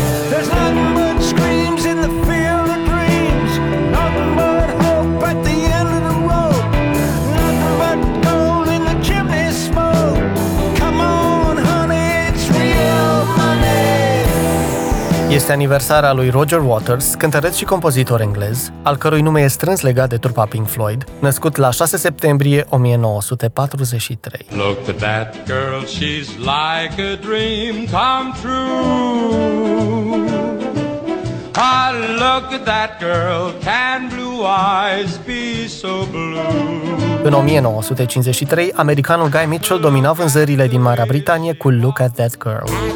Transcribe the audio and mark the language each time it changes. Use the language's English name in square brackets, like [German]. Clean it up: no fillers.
[English] There's nothing but screams in the field of dreams. Nothing but hope at the end of the road. Nothing but gold in the chimney smoke. Come on, honey, it's real money. [Romanian] Este aniversarea lui Roger Waters, cântăreț și compozitor englez, al cărui nume e strâns legat de trupa Pink Floyd, născut la 6 septembrie 1943. [English] Look at that girl, she's like a dream come true. I look at that girl, can blue eyes be so blue. [Romanian] În 1953, americanul Guy Mitchell domina vânzările din Marea Britanie cu Look at that girl.